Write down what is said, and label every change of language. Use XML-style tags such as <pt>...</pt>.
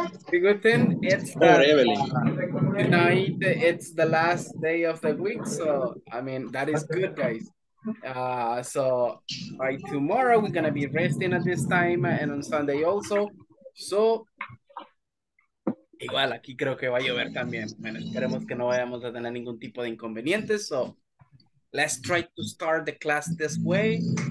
<en>The good thing is that tonight it's the last day of the week, so I mean that is good, guys. So by tomorrow we're gonna be resting at this time and on Sunday also. So.</en> <es>Igual aquí creo que va a llover también. Bueno, esperemos que no vayamos a tener ningún tipo de inconvenientes.</es> <en>So, let's try to start the class this way.</en>